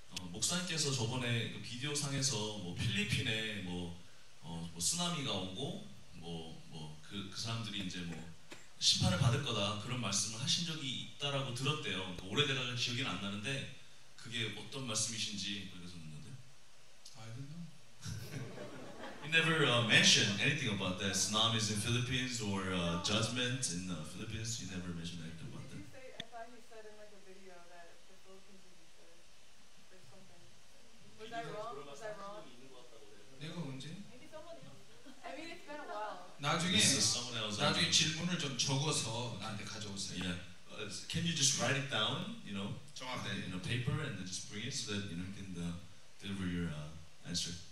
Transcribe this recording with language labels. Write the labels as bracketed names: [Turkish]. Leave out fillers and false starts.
[Korean] 목사님께서 저번에 그 비디오 상에서 뭐 필리핀에 뭐, 뭐 쓰나미가 오고 뭐 그 사람들이 이제 뭐 심판을 받을 거다 그런 말씀을 하신 적이 있다라고 들었대요. 그 오래되다가 기억이 안 나는데 그게 어떤 말씀이신지 그러셨는데. [English] I don't know. He never mentioned anything about that tsunamis in Philippines or judgment in the Philippines. He never mentioned anything. This is someone else. [Korean] 나중에 질문을 좀 적어서 나한테 가져오세요. [English] Yeah. Can you just write it down, you know, [Korean] 정확히. [English] In a paper and then just bring it so that you know can the deliver your answer.